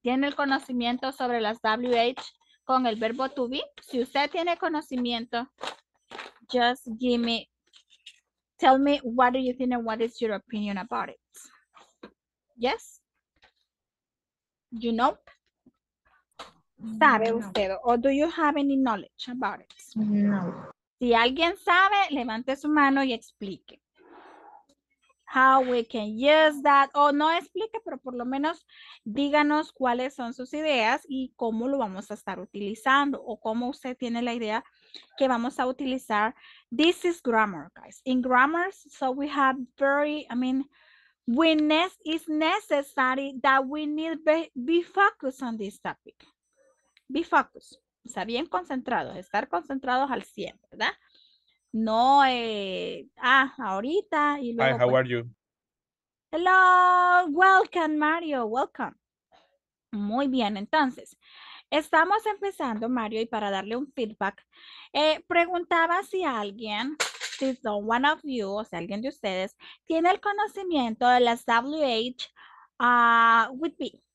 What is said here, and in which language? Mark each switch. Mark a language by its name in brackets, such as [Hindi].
[Spanish] ¿Tiene el conocimiento sobre las WH con el verbo to be? Si usted tiene conocimiento, [English] just give me, tell me what do you think and what is your opinion about it. Yes? You know? [Spanish] ¿Sabe usted? [English] No. ¿O do you have any knowledge about it? [Spanish] No. Si alguien sabe, levante su mano y explique. [English] How we can use that. [Spanish] O no explique, pero por lo menos díganos cuáles son sus ideas y cómo lo vamos a estar utilizando. O cómo usted tiene la idea que vamos a utilizar. [English] This is grammar, guys. In grammar, so we have very, it's necessary that we need to be focused on this topic. Be focused, [Spanish] o sea, bien concentrados, estar concentrados al 100, ¿verdad? No, ahorita y luego... [English] Hi, how are you? Hello, welcome, Mario, welcome. [Spanish] Muy bien, entonces, estamos empezando, Mario, y para darle un feedback, preguntaba si alguien, si [English] one of you, [Spanish] o sea, alguien de ustedes, tiene el conocimiento de las WH [English] with me.